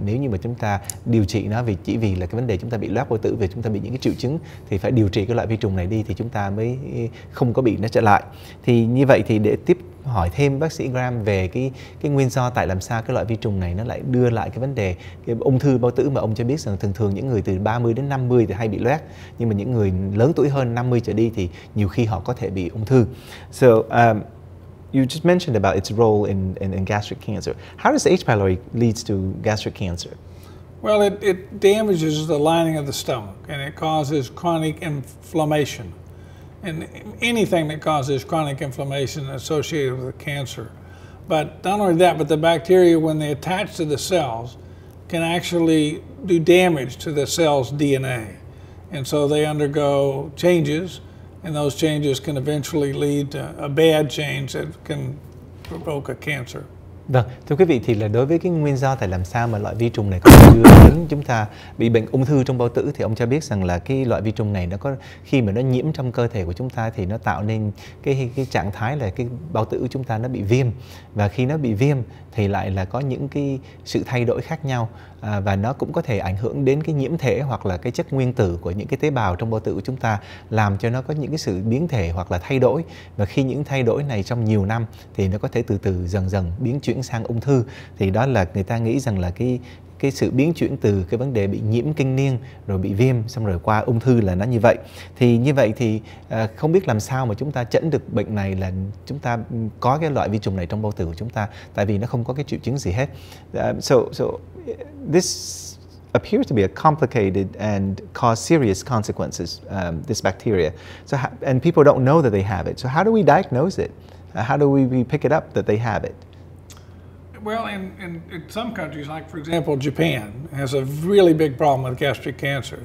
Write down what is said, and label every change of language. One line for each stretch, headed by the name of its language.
Vietnamese: Nếu như mà chúng ta điều trị nó vì chỉ vì là cái vấn đề chúng ta bị loét bao tử, vì chúng ta bị những cái triệu chứng, thì phải điều trị cái loại vi trùng này đi thì chúng ta mới không có bị nó trở lại. Thì như vậy thì để tiếp hỏi thêm bác sĩ Graham về cái nguyên do tại làm sao cái loại vi trùng này nó lại đưa lại cái vấn đề cái ung thư bao tử, mà ông cho biết rằng thường thường những người từ 30 đến 50 thì hay bị loét, nhưng mà những người lớn tuổi hơn 50 trở đi thì nhiều khi họ có thể bị ung thư.
English: So you just mentioned about its role in gastric cancer. How does H. pylori leads to gastric cancer? Well, it damages the lining of the stomach and it causes chronic inflammation. And anything that causes chronic inflammation associated with cancer. But not only that, but the bacteria, when they attach to the cells, can actually do damage to the cell's DNA. And so they undergo changes, and those changes can eventually lead to a bad change that can provoke a cancer.
Vietnamese: Vâng, thưa quý vị, thì là đối với cái nguyên do tại làm sao mà loại vi trùng này có thể đưa đến chúng ta bị bệnh ung thư trong bao tử, thì ông cho biết rằng là cái loại vi trùng này nó có, khi mà nó nhiễm trong cơ thể của chúng ta thì nó tạo nên cái trạng thái là cái bao tử của chúng ta nó bị viêm, và khi nó bị viêm thì lại là có những cái sự thay đổi khác nhau. Và nó cũng có thể ảnh hưởng đến cái nhiễm thể hoặc là cái chất nguyên tử của những cái tế bào trong bao tử của chúng ta, làm cho nó có những cái sự biến thể hoặc là thay đổi. Và khi những thay đổi này trong nhiều năm thì nó có thể từ từ dần dần biến chuyển sang ung thư. Thì đó là người ta nghĩ rằng là cái sự biến chuyển từ cái vấn đề bị nhiễm kinh niên rồi bị viêm xong rồi qua ung thư là nó như vậy. Thì như vậy thì không biết làm sao mà chúng ta chẩn được bệnh này, là chúng ta có cái loại vi trùng này trong bao tử của chúng ta, tại vì nó không có cái triệu chứng gì hết.
English: So this appears to be a complicated and cause serious consequences, this bacteria. So and people don't know that they have it. So how do we diagnose it? How do we pick it up that they have it? Well, in some countries, like, for example, Japan has a really big problem with gastric cancer.